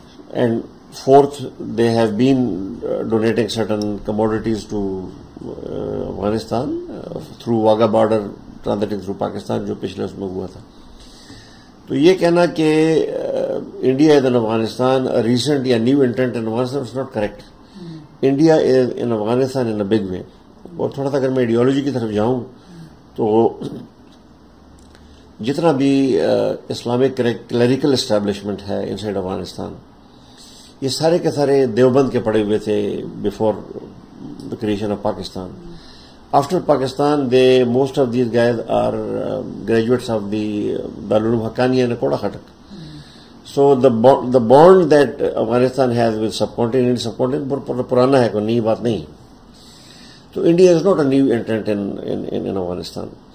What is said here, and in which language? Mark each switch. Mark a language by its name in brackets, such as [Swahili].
[English] and forth, they have been donating certain commodities to Afghanistan through Wagah border transiting through Pakistan, [Urdu] جو پچھلے اس میں ہوا تھا. تو یہ کہنا کہ [English] India is in Afghanistan recent یا new intent in Afghanistan, is not correct. India is in Afghanistan in a big way. [Urdu] اور تھوڑا سا اگر میں آئیڈیالوجی کی طرف جاؤں تو جتنا بھی اسلامک کلریکل اسٹیبلشمنٹ ہے ان سائڈ افغانستان, یہ سارے کے سارے دیوبند کے پڑے ہوئے تھے [English] Before the creation of Pakistan. After Pakistan, they, most of these guys are graduates of the Darul-Ulum Haqqaniyah and Koda Khatak. So the bond that Afghanistan has with subcontinent [Urdu] purana hai, koi nayi baat nahi. [English] So India is not a new entrant in Afghanistan.